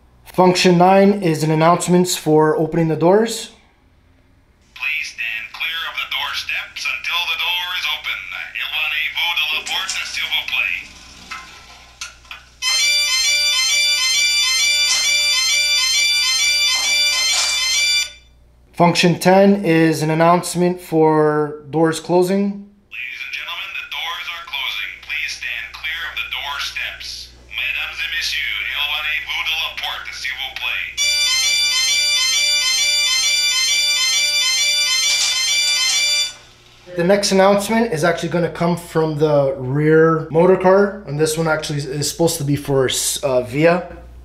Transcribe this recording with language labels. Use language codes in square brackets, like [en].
[en] Function 9 is an announcement for opening the doors. Please stand clear of the door steps until the door is open. [fr] Éloignez-vous de la porte, s'il vous plaît. [en] Function 10 is an announcement for doors closing. Ladies and gentlemen, the doors are closing. Please stand clear of the door steps. [fr] Mesdames et messieurs, éloignez-vous de la porte, s'il vous plaît. [en] The next announcement is actually going to come from the rear motor car, and this one actually is supposed to be for Via.